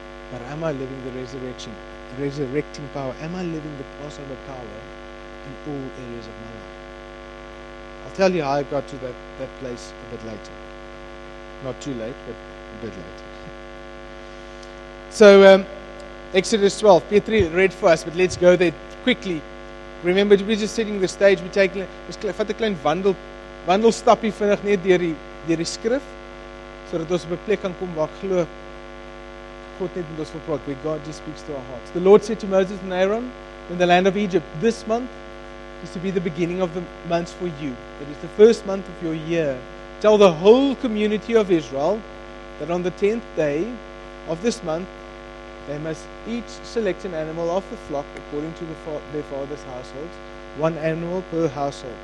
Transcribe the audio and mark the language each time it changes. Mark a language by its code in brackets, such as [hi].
[en] But am I living the resurrection, the resurrecting power? Am I living the Passover power in all areas of my life? I'll tell you how I got to that place a bit later. Not too late, but a bit later. So, Exodus 12. Petri read for us, but let's go there quickly. Remember, we're just sitting on the stage. We're taking a [af] klein wandelstapie vinnig net deur die skrif, sodat ons op 'n plek kan kom waar ek glo God net met ons wil praat. [en] God just speaks to our hearts. The Lord said to Moses and Aaron in the land of Egypt, this month is to be the beginning of the months for you. It is the first month of your year. Tell the whole community of Israel that on the 10th day of this month, they must each select an animal of the flock according to their father's household, one animal per household.